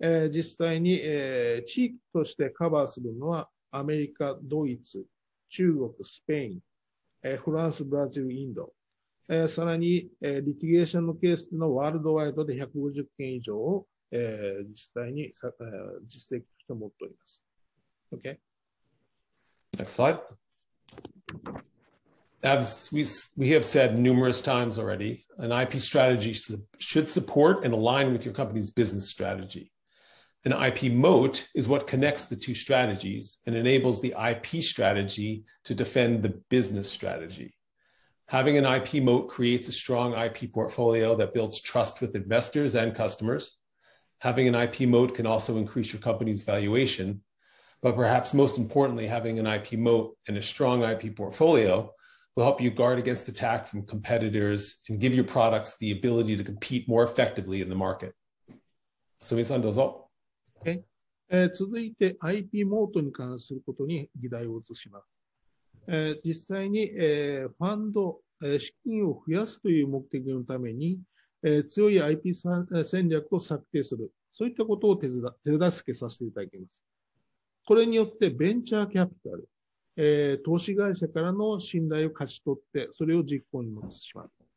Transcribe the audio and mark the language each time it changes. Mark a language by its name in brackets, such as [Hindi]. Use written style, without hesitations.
[Japanese] 実際に地域としてカバーするのはアメリカ、ドイツ、中国、スペイン、フランス、ブラジル、インド。さらに、リティゲーションのケースのワールドワイドで150件以上を実際に実績として持っております。 [English] Okay? Next slide. As we have said numerous times already, an IP strategy should support and align with your company's business strategy. An IP moat is what connects the two strategies and enables the IP strategy to defend the business strategy. Having an IP moat creates a strong IP portfolio that builds trust with investors and customers. Having an IP moat can also increase your company's valuation, but perhaps most importantly, having an IP moat and a strong IP portfolio. Will help you guard against attack from competitors and give your products the ability to compete more effectively in the market. [Japanese] So, みさんどうぞ。続いて IP モートに関することに議題を移します。実際に、ファンド、資金を増やすという目的のために、強い IP 戦略を策定する。そういったことを手助けさせていただきます。これによってベンチャーキャピタル、投資会社からの信頼を勝ち取って、それを実行に移します。